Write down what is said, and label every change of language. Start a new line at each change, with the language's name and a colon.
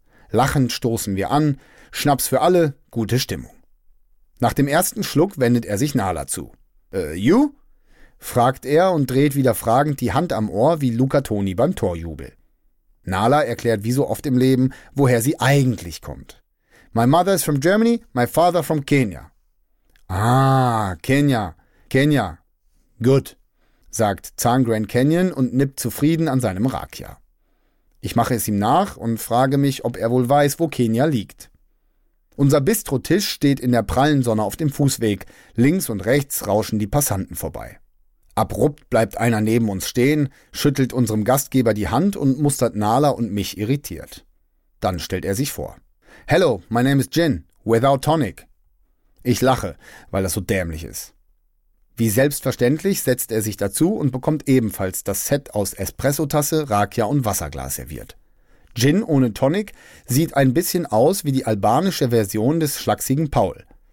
German: Lachend stoßen wir an, Schnaps für alle, gute Stimmung. Nach dem ersten Schluck wendet er sich Nala zu.
English: You?
German: Fragt er und dreht wieder fragend die Hand am Ohr wie Luca Toni beim Torjubel. Nala erklärt wie so oft im Leben, woher sie eigentlich kommt.
English: My mother is from Germany, my father from Kenya. Ah, Kenya, Kenya. Good,
German: sagt Zahn Grand Canyon und nippt zufrieden an seinem Rakia. Ich mache es ihm nach und frage mich, ob er wohl weiß, wo Kenia liegt. Unser Bistrotisch steht in der prallen Sonne auf dem Fußweg. Links und rechts rauschen die Passanten vorbei. Abrupt bleibt einer neben uns stehen, schüttelt unserem Gastgeber die Hand und mustert Nala und mich irritiert. Dann stellt er sich vor.
English: Hello, my name is Gin, without tonic.
German: Ich lache, weil das so dämlich ist. Wie selbstverständlich setzt er sich dazu und bekommt ebenfalls das Set aus Espressotasse, Rakia und Wasserglas serviert. Gin ohne Tonic sieht ein bisschen aus wie die albanische Version des schlaksigen Paul.